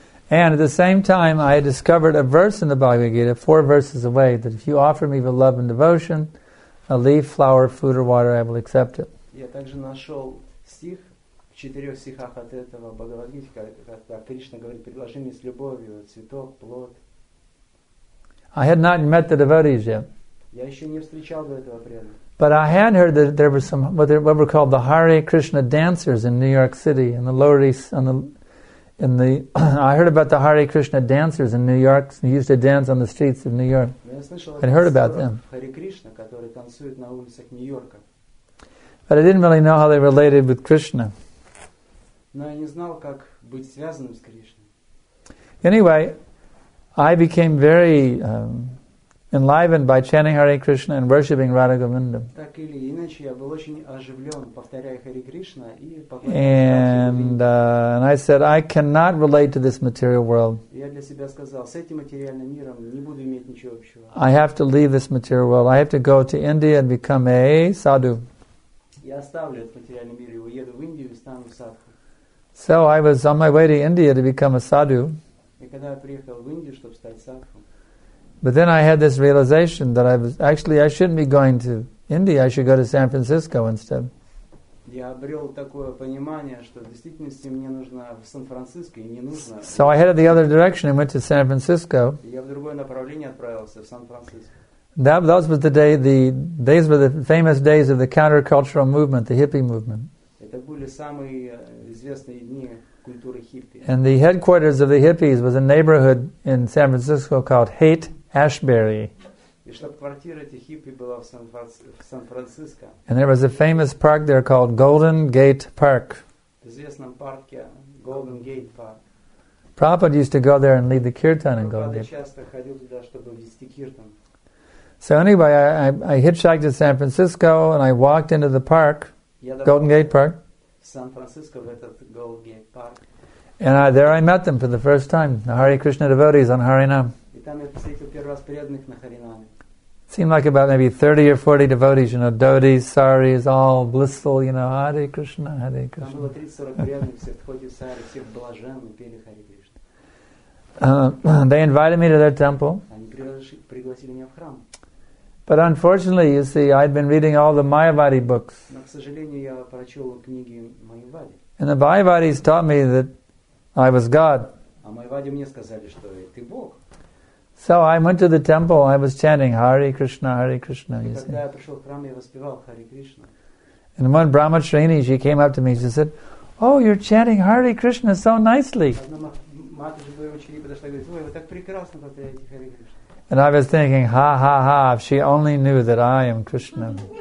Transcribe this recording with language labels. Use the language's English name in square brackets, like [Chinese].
[English] And at the same time, I had discovered a verse in the Bhagavad Gita, four verses away, that if you offer me with love and devotion, a leaf, flower, food, or water, I will accept it. [Russian] Я также нашел стих в четырех стихах от этого Бхагавад Гиты, когда Кришна говорит: «Предложи мне с любовью цветок, плод». [English] I had not met the devotees yet. [Russian] Я еще не встречал до этого преданных. [English] But I had heard that there were some what were called the Hare Krishna dancers in New York City in the Lower East. I heard about the Hare Krishna dancers in New York who used to dance on the streets of New York. I'd heard about them. [Russian] Hare Krishna, которые танцуют на улицах Нью-Йорка. [English] But I didn't really know how they related with Krishna. [Russian] Но я не знал, как быть связанным с Кришной. [English] Anyway, I became very enlivened by chanting Hare Krishna and worshipping Radha Govinda. [Russian] Так или иначе, я был очень оживлен, повторяя Hare Krishna и [English] And I said, I cannot relate to this material world. [Russian] Я для себя сказал, с этим материальным миром не буду иметь ничего общего. [English] I have to leave this material world. I have to go to India and become a sadhu. [Russian] Я оставлю этот материальный мир и уеду в Индию и стану садху. [English] So I was on my way to India to become a sadhu. [Russian] И когда я приехал в Индию, чтобы стать садху. [English] But then I had this realization that I shouldn't be going to India, I should go to San Francisco instead. [Russian] Я обрел такое понимание, что в действительности мне нужно в Сан-Франциско и не нужно. [English] So I headed the other direction and went to San Francisco. [Russian] Я в другое направление отправился в Сан-Франциско. [English] That was the day. These were the famous days of the countercultural movement, the hippie movement. [Russian] Это были самые известные дни культуры хиппи. [English] And the headquarters of the hippies was a neighborhood in San Francisco called Haight Ashbury. [Russian] И штаб-квартира этих хиппи была в Сан-Франциско. [English] And there was a famous park there called Golden Gate Park. [Russian] В известном парке Golden Gate Park. [English] Prabhupada used to go there and lead the kirtan in Golden Gate. [Russian] Часто ходил туда, чтобы вести киртан. [English] So anyway, I hitchhiked to San Francisco and I walked into the park, Golden Gate Park. [Russian] San Francisco, в этот Golden Gate Park. [English] And there I met them for the first time, the Hare Krishna devotees on Harinam. [Russian] И там я встретил первый раз преданных на Харинаме. [English] Seemed like about maybe 30 or 40 devotees, you know, dhotis, saris, all blissful, you know, Hare Krishna, Hare Krishna. [Russian] Там было 30-40 преданных, все в ходе сари, все в блаженном, пели Харе [English] Кришна. They invited me to their temple. [Russian] Они пригласили меня в храм. [English] But unfortunately, you see, I'd been reading all the Mayavadi books. [Russian] Но, к сожалению, я прочел книги Майявади. [English] And the Mayavadis taught me that I was God. [Russian] А Майявади мне сказали, что ты Бог. [English] So I went to the temple, I was chanting Hare Krishna, Hare Krishna, you see. [Russian] И когда я пришел в храм, я воспевал Hare Krishna. [English] And one Brahmacharini, she came up to me, she said, "Oh, you're chanting Hare Krishna so nicely." [Russian] Одна матушка Брахмачарини подошла и говорит, "Ой, вы так прекрасно повторяете Hare Krishna." [English] And I was thinking, ha, ha, ha, if she only knew that I am Krishna.